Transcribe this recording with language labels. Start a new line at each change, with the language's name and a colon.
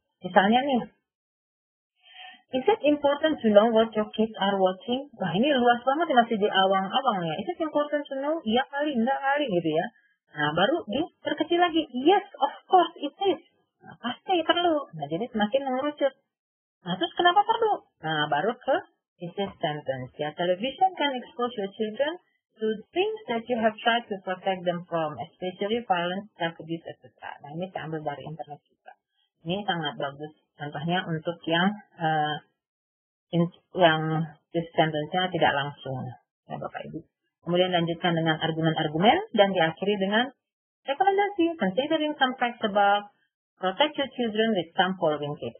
Indonesian: Misalnya nih,
English: is it important to know what your kids are watching?
Indonesian: Wah, ini luas banget, masih di awang-awang ya.
English: Is it important to know?
Indonesian: Iya kali, enggak kali gitu ya. Nah, baru di terkecil lagi.
English: Yes, of course it is.
Indonesian: Nah, pasti perlu. Nah, jadi semakin mengerucut. Nah, terus kenapa perlu? Nah, baru ke thesis sentence.
English: Ya, television can expose your children to things that you have tried to protect them from, especially violence, drug abuse, etc.
Indonesian: Nah, ini saya ambil dari internet juga. Ini sangat bagus. Contohnya untuk yang this sentence-nya tidak langsung, ya Bapak Ibu. Kemudian lanjutkan dengan argumen-argumen dan diakhiri dengan rekomendasi.
English: Considering some facts about protect your children with some following tips.